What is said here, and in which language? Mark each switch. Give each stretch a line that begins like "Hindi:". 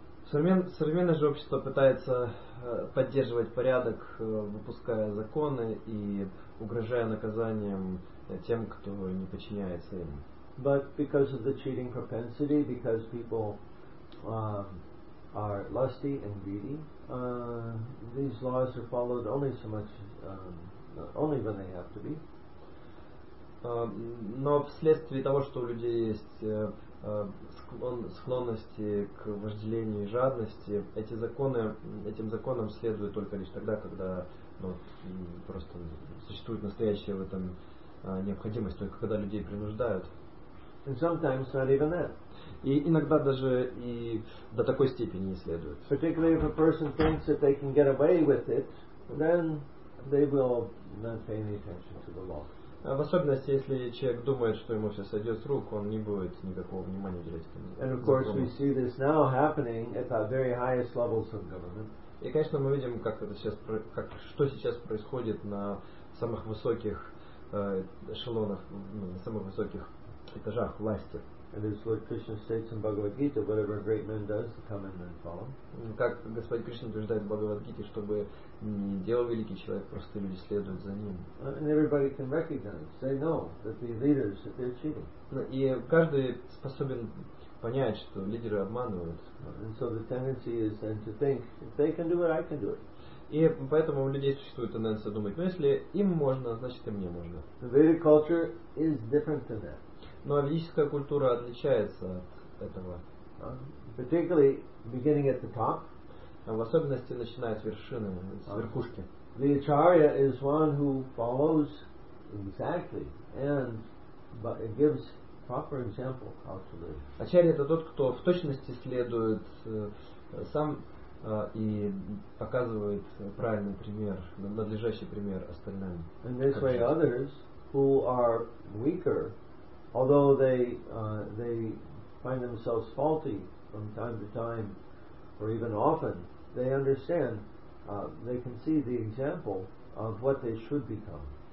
Russian: Современное же общество пытается поддерживать порядок, выпуская законы и угрожая наказанием тем, кто не подчиняется им.
English: But because of the cheating propensity, because people are lusty and greedy, these laws are followed only so much, only when they have to be.
Russian: Но вследствие того, что у людей есть склонности к вожделению и жадности, этим законам следует только лишь тогда, когда просто существует настоящая в этом необходимость, только когда людей принуждают.
English: And sometimes not even that.
Russian: И иногда даже и до такой степени не следует.
English: Particularly if a person thinks that they can get away with it, then they will not pay any attention to the law.
Russian: В особенности, если человек думает, что ему все сойдет с рук, он не будет никакого внимания уделять этому.
English: And of course we see this now happening at the very highest levels of government.
Russian: И, конечно, мы видим, как это сейчас, как что сейчас происходит на самых высоких эшелонах, на самых высоких этажах власти.
English: And it's like Krishna states in Bhagavad Gita, whatever a great man does, come in and follow.
Russian: Как Господь Кришна утверждает в Бхагавад Гите, чтобы не делал великий человек, просто люди следуют за ним.
English: And everybody can recognize, they know that the leaders that they're cheating.
Russian: И каждый способен понять, что лидеры обманывают.
English: And so the tendency is then to think, if they can do it, I can do it.
Russian: И поэтому у людей существует тенденция думать, если им можно, значит и мне можно.
English: The Vedic culture is different than that.
Russian: Но ведическая культура отличается от этого.
English: Particularly beginning at the top.
Russian: В особенности начиная с вершины, с верхушки.
English: The acharya is one who follows exactly and but it gives proper example how to live.
Russian: Ачарья — это тот, кто в точности следует сам и показывает правильный пример, надлежащий пример остальным.
English: And this way others who are weaker, although they find themselves faulty from time to time, or even often, they understand, they can see the example of what they should become.